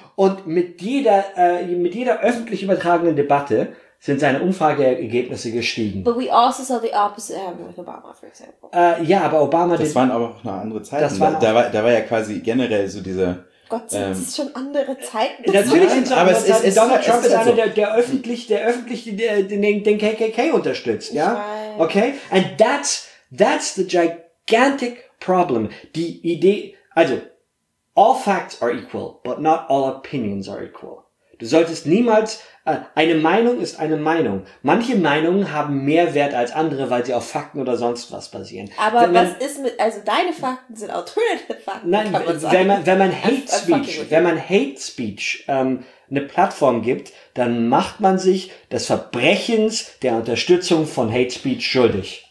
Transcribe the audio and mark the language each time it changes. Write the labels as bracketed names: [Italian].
[German] Und mit jeder öffentlich übertragenen Debatte sind seine Umfrageergebnisse gestiegen. [English] But we also saw the opposite happen with Obama, for example. [German] Ja, aber Obama... Das waren aber auch noch andere Zeiten. Da war ja quasi generell so diese... Gott, sind es schon andere Zeiten? Natürlich sind es andere Zeiten. Donald Trump ist einer, der öffentlich den KKK unterstützt. Ja? Okay? [English] And that's the gigantic problem. [German] Die Idee, also, [English] all facts are equal, but not all opinions are equal. [German] Du solltest niemals, eine Meinung ist eine Meinung. Manche Meinungen haben mehr Wert als andere, weil sie auf Fakten oder sonst was basieren. Aber deine Fakten sind alternative Fakten. Nein, kann man sagen. Wenn man Hate Speech, eine Plattform gibt, dann macht man sich des Verbrechens der Unterstützung von Hate Speech schuldig.